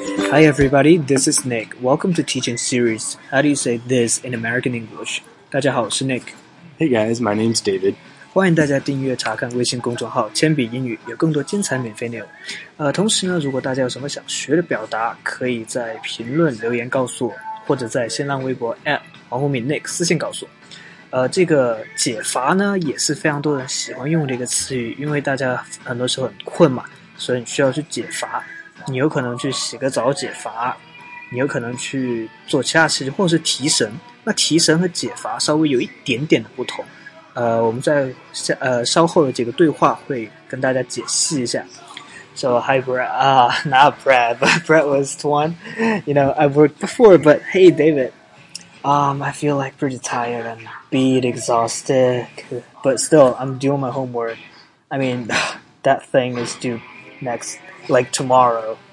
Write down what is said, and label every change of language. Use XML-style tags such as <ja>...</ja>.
<en>Hi everybody, this is Nick. Welcome to Teaching Series. How do you say this in American English?</en> <zh>大家好，我是 Nick。</zh> <en>Hey guys, my name's David.</en> <zh>欢迎大家订阅查看微信公众号铅笔英语，有更多精彩免费内容。同时呢，如果大家有什么想学的表达，可以在评论留言告诉我，或者在新浪微博 @ 黄宏敏 Nick 私信告诉我。这个解乏呢，也是非常多人喜欢用这个词语，因为大家很多时候很困嘛，所以你需要去解乏。你有可能去洗个澡解乏，你有可能去做其他事情，或者是提神。那提神和解乏稍微有一点点的不同，我们在稍后的这个对话会跟大家解释一下。</zh> <en>So hi Brad, not Brad, but Brad was the one, you know, I worked before, but hey David, I feel like pretty tired and beat exhausted, but still, I'm doing my homework. I mean, that thing is due next. Like tomorrow.</en>